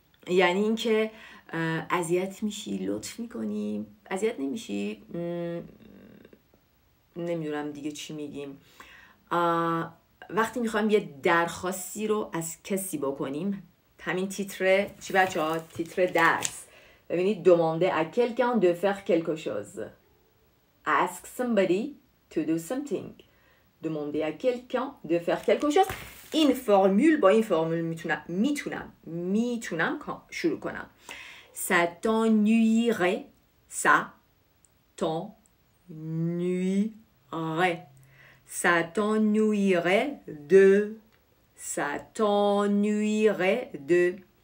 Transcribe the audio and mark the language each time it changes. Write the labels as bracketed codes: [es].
[fa] یعنی این که اذیت میشی، لطف میکنی، اذیت نمیشی، نمیدونم دیگه چی میگیم. وقتی میخوایم یه درخواستی رو از کسی بکنیم، همین تیتره چی بچه ها؟ تیتره درس. ببینید [fr] demander à quelqu'un de faire quelque chose. [en] ask somebody to do something. [fr] demander à quelqu'un de faire quelque chose. [fa] این فرمول با این فرمول میتونم که شروع کنم. [fr] ça t'ennuierait. ça t'ennuierait. ça t'ennuierait de. ça t'ennuierait de.